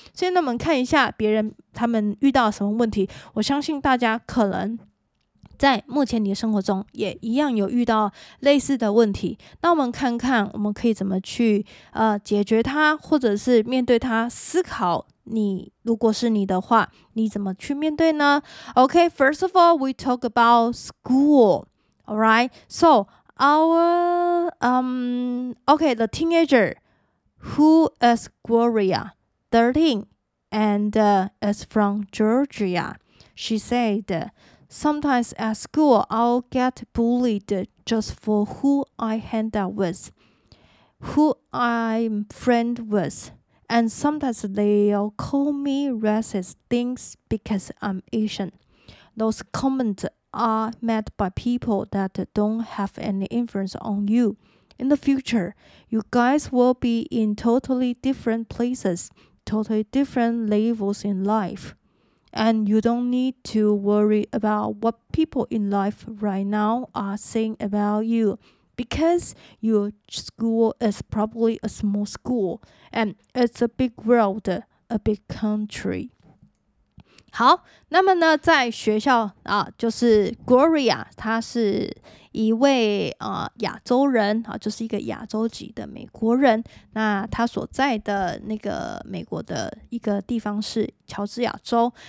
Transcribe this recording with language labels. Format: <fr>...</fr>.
<zh>所以那我们看一下别人他们遇到什么问题，我相信大家可能在目前你的生活中也一样有遇到类似的问题，那我们看看我们可以怎么去解决它，或者是面对它，思考你如果是你的话，你怎么去面对呢？</zh> <en>OK， first of all we talk about school， alright， so the teenager who is Gloria 13 and is from Georgia， she saidSometimes at school, I'll get bullied just for who I hang out with, who I'm friend with, and sometimes they'll call me racist things because I'm Asian. Those comments are made by people that don't have any influence on you. In the future, you guys will be in totally different places, totally different levels in life. And you don't need to worry about what people in life right now are saying about you because your school is probably a small school and it's a big world, a big country.</en> <zh>好，那么呢，在学校啊，就是 Gloria， 她是一位亚洲人啊，就是一个亚洲籍的美国人。那他所在的那个美国的一个地方是乔治亚州。</zh>